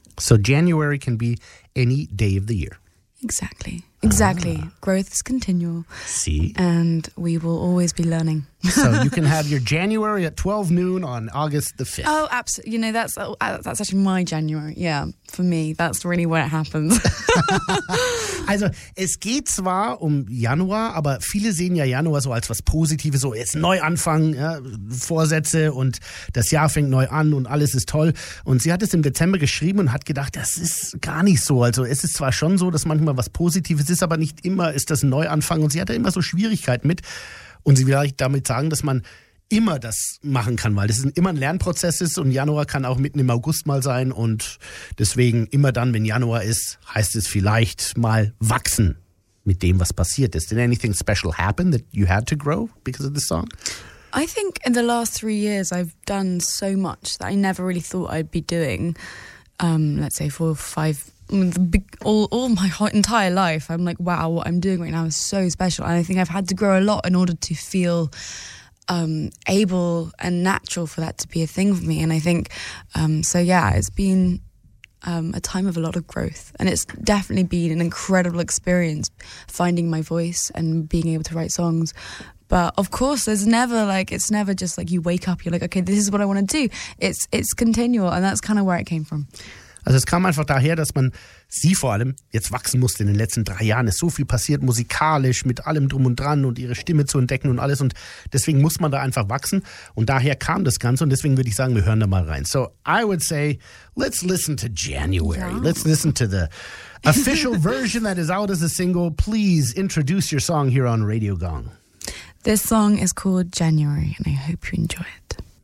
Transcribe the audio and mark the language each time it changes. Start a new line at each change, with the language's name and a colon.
English: So January can be any day of the year. Exactly. Exactly. Ah. Growth is continual. See? And we will always be learning. So you can have your January at 12 noon on August the 5th. Oh, absolutely. You know, that's actually my January. Yeah, for me, that's really where it happens.
German: Also, es geht zwar um Januar, aber viele sehen ja Januar so als was Positives, so jetzt Neuanfang, ja, Vorsätze und das Jahr fängt neu an und alles ist toll. Und sie hat es im Dezember geschrieben und hat gedacht, das ist gar nicht so. Also es ist zwar schon so, dass manchmal was Positives ist, aber nicht immer ist das ein Neuanfang. Und sie hat da immer so Schwierigkeiten mit. Und sie will eigentlich damit sagen, dass man immer das machen kann, weil das immer ein Lernprozess ist und Januar kann auch mitten im August mal sein und deswegen immer dann, wenn Januar ist, heißt es vielleicht mal wachsen mit dem, was passiert ist.
English: Did anything special happen that you had to grow because of this song? I think in the last 3 years I've done so much that I never really thought I'd be doing, let's say 4 or 5 all my entire life. I'm like, wow, what I'm doing right now is so special. And I think I've had to grow a lot in order to feel able and natural for that to be a thing for me. And I think, it's been a time of a lot of growth. And it's definitely been an incredible experience finding my voice and being able to write songs. But of course, there's never like, it's never just like you wake up, you're like, okay, this is what I want to do. It's continual. And that's kind of where it came from.
German: Also es kam einfach daher, dass man sie vor allem jetzt wachsen musste in den letzten 3 Jahren. Es ist so viel passiert musikalisch mit allem drum und dran und ihre Stimme zu entdecken und alles. Und deswegen muss man da einfach wachsen. Und daher kam das Ganze. Und deswegen würde ich sagen, wir hören da mal rein.
English: So I would say, let's listen to January. Yeah. Let's listen to the official version that is out as a single. Please introduce your song here on Radio Gong. This song is called January and I hope you enjoy it.